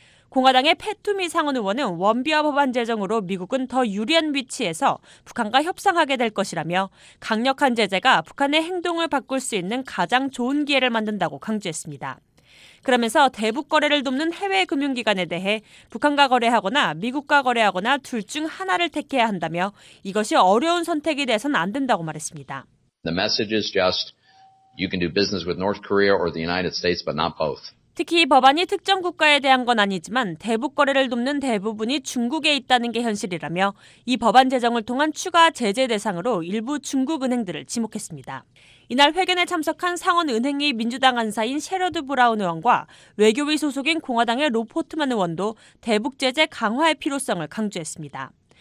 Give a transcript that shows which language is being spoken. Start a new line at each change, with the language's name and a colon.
Korean: 공화당의 페투미 상원 의원은 원비어 법안 제정으로 미국은 더 유리한 위치에서 북한과 협상하게 될 것이라며 강력한 제재가 북한의 행동을 바꿀 수 있는 가장 좋은 기회를 만든다고 강조했습니다. 그러면서 대북 거래를 돕는 해외 금융기관에 대해 북한과 거래하거나 미국과 거래하거나 둘 중 하나를 택해야 한다며 이것이 어려운 선택이 돼선 안 된다고 말했습니다.
English: The message is just you can do business with North Korea or the United States but not both.
Korean: 특히 법안이 특정 국가에 대한 건 아니지만 대북 거래를 돕는 대부분이 중국에 있다는 게 현실이라며 이 법안 제정을 통한 추가 제재 대상으로 일부 중국 은행들을 지목했습니다. 이날 회견에 참석한 상원 은행위 민주당 안사인 셰러드 브라운 의원과 외교위 소속인 공화당의 로 포트만 의원도 대북 제재 강화의 필요성을 강조했습니다.